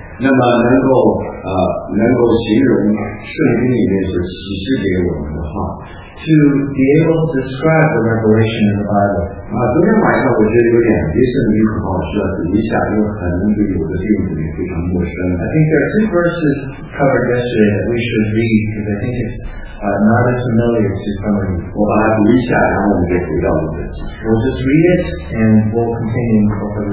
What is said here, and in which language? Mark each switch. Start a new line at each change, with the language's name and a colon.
Chinese: 那么能够形容圣经里面所启示给我们的话。
English: To be able to describe the revelation in the Bible.
Chinese: 啊，昨天晚上我觉得有点离圣经很好说，读一下，因为可能对我的弟兄姊妹非常陌生。
English: I think there are two verses covered yesterday that we should read because I think it's not as familiar to some of you.
Chinese: 我把它读一下，然后我们就回到了这里。
English: We'll just read it and we'll continue in the book of